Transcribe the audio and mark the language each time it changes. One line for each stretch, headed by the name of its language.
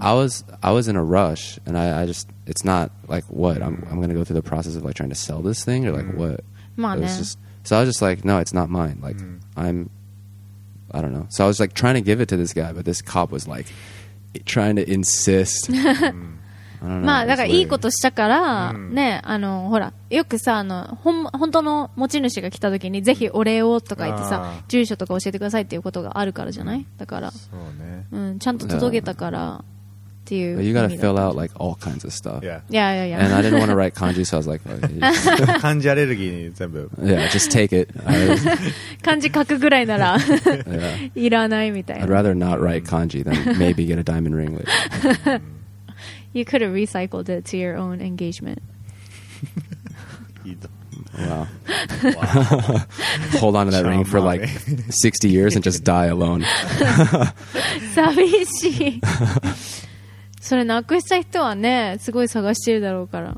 English: But I was in a rush and I just, it's not like what, I'm going to go through the process of like trying to sell this thing or like what? It was just, so I was just like, no, it's not mine. Like I don't know. So I was like trying to give it to this guy, but this cop was like trying to insist.
Japanese: まあ、だからいいことしたから、ね、あのほらよくさ、あの本当の持ち主が来た時にぜひお礼をとか言ってさ、住所とか教えてくださいっていうことがあるからじゃない？だからそう、ね、うん、ちゃんと届けたからっていう意味だった。
English: You gotta fill out like all kinds of stuff. Yeah. Yeah, yeah, yeah. And I didn't want to write kanji, so I was like, okay, just...
Japanese: 漢字アレルギーに全部
English: Yeah, just take it.
Japanese: 漢字書くぐらいならいらないみたいな。
English: I'd rather not write kanji than maybe get a diamond ring with it. You could have recycled it to your own engagement. Wow. Hold on to that ring for like 60 years and just die alone.
Japanese: 寂しい。それなくした人はね、すごい探してるだろうから。